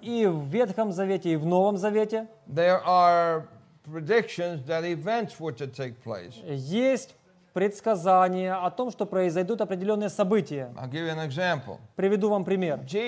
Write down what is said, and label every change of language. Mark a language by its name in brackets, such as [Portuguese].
[Russian] И в Ветхом Завете, и в Новом Завете. [English] There are predictions that events were to take place. [Russian] Есть предсказание о том, что произойдут определенные события. Приведу вам пример.